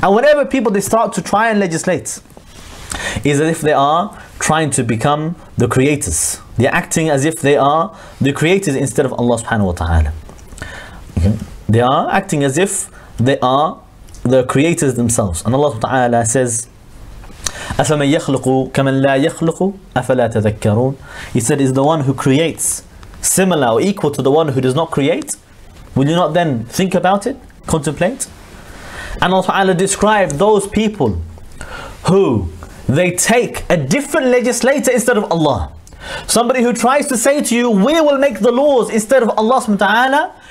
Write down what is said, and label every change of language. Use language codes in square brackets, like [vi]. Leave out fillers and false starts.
[en] And whenever people they start to try and legislate, is as if they are trying to become the creators. They're acting as if they are the creators instead of Allah subhanahu wa ta'ala. They are acting as if they are the creators themselves. And Allah Ta'ala says, [ar] أَفَمَنْ يَخْلُقُ كَمَنْ لَا يَخْلُقُ أَفَلَا تَذَكَّرُونَ. [en] He said, is the one who creates similar or equal to the one who does not create? Will you not then think about it, contemplate? And Allah Ta'ala described those people who they take a different legislator instead of Allah. Somebody who tries to say to you, we will make the laws instead of Allah subhanahu wa ta'ala.